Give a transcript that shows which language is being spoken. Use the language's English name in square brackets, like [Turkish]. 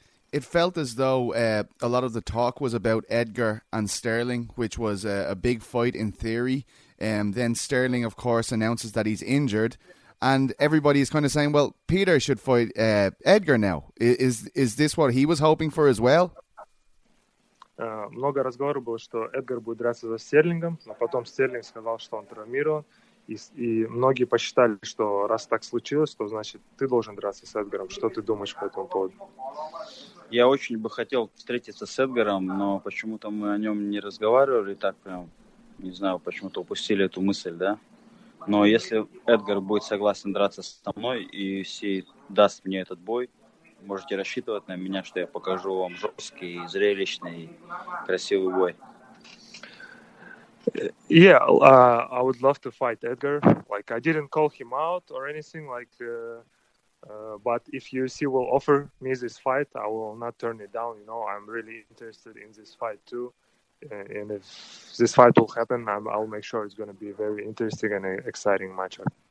[English] It felt as though a lot of the talk was about Edgar and Sterling, which was a big fight in theory, and then Sterling, of course, announces that he's injured, and everybody is kind of saying, well, Peter should fight Edgar now. Is this what he was hoping for as well? [Russian] Много разговоров было, что Эдгар будет драться за Стерлингом, но потом Стерлинг сказал, что он травмирован, и многие посчитали, что раз так случилось, то значит ты должен драться с Эдгаром. Что ты думаешь по этому поводу? Я очень бы хотел встретиться с Эдгаром, но почему-то мы о нем не разговаривали, так прям, не знаю, почему-то упустили эту мысль, да? Но если Эдгар будет согласен драться со мной и Си даст мне этот бой, можете рассчитывать на меня, что я покажу вам жесткий, зрелищный, красивый бой. [English] Yeah, I would love to fight Edgar. Like, I didn't call him out or anything, like, but if UFC will offer me this fight, I will not turn it down, you know. I'm really interested in this fight too. And if this fight will happen, I'll make sure it's going to be a very interesting and exciting matchup.